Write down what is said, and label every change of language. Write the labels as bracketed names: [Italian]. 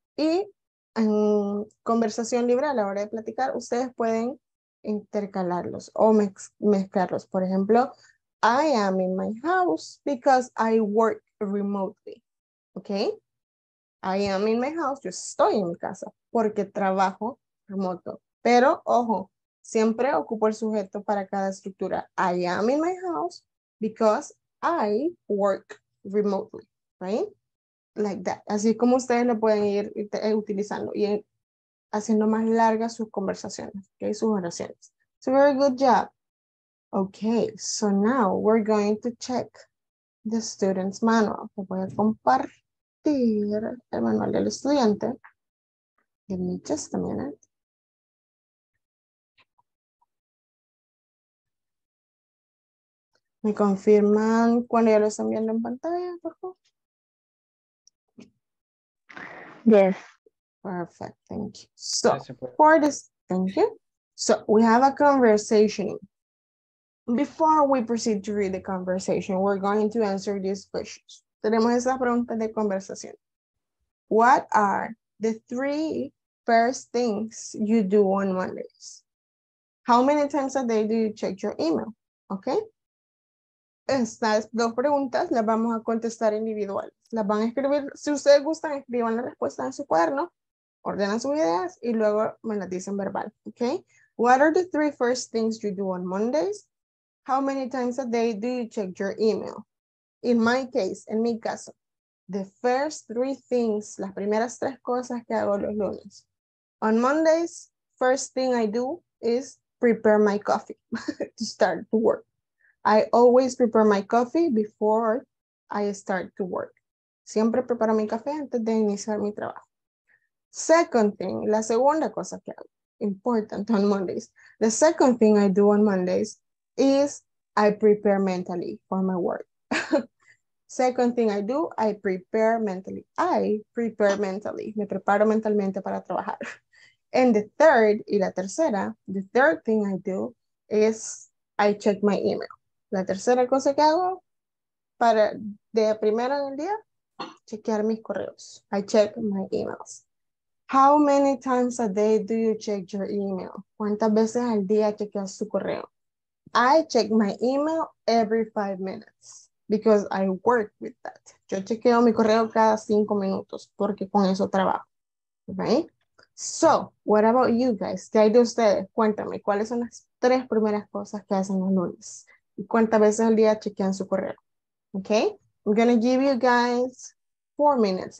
[Spanish] Y en conversación libre a la hora de platicar, ustedes pueden intercalarlos o mezclarlos. Por ejemplo, [English] I am in my house because I work remotely. Okay? I am in my house. [Spanish] Yo estoy en mi casa porque trabajo remoto. Pero, ojo, siempre ocupo el sujeto para cada estructura. [English] I am in my house because I work remotely. Right? Like that. [Spanish] Así como ustedes lo pueden ir utilizando y haciendo más largas sus conversaciones. [English] Okay? [Spanish] Sus oraciones. [English] So, very good job. Okay, so now we're going to check the student's manual. [Spanish] Te voy a compartir el manual del estudiante. [English] Give me just a minute. [Spanish] ¿Me confirman cuando ya lo están viendo en pantalla, por favor? [English] Yes. Perfect, thank you. So, for this, thank you. So, we have a conversation. Before we proceed to read the conversation, we're going to answer these questions. [Spanish] Tenemos estas preguntas de conversación. [English] What are the three first things you do on Mondays? How many times a day do you check your email? Okay. [Spanish] Estas dos preguntas las vamos a contestar individuales. Las van a escribir. Si ustedes gustan, escriban la respuesta en su cuaderno ordenan sus ideas y luego me las dicen verbal, okay? [English] What are the three first things you do on Mondays? How many times a day do you check your email? In my case, [Spanish] en mi caso, [English] the first three things, [Spanish] las primeras tres cosas que hago los lunes. [English] On Mondays, first thing I do is prepare my coffee to start to work. I always prepare my coffee before I start to work. [Spanish] Siempre preparo mi café antes de iniciar mi trabajo. [English] Second thing, [Spanish] la segunda cosa que hago, [English] important on Mondays. The second thing I do on Mondays is I prepare mentally for my work. Second thing I do, I prepare mentally. I prepare mentally. [Spanish] Me preparo mentalmente para trabajar. [English] And the third, [Spanish] y la tercera, [English] the third thing I do is I check my email. [Spanish] La tercera cosa que hago para de primero en el día, chequear mis correos. [English] I check my emails. How many times a day do you check your email? [Spanish] ¿Cuántas veces al día chequeas su correo? [English] I check my email every 5 minutes because I work with that. [Spanish] Yo chequeo mi correo cada 5 minutos porque con eso trabajo. Right? [English] So, what about you guys? [Spanish] ¿Qué hay de ustedes? Cuéntame, ¿cuáles son las tres primeras cosas que hacen los lunes? ¿Y cuántas veces al día chequean su correo? Okay? [English] I'm going to give you guys 4 minutes.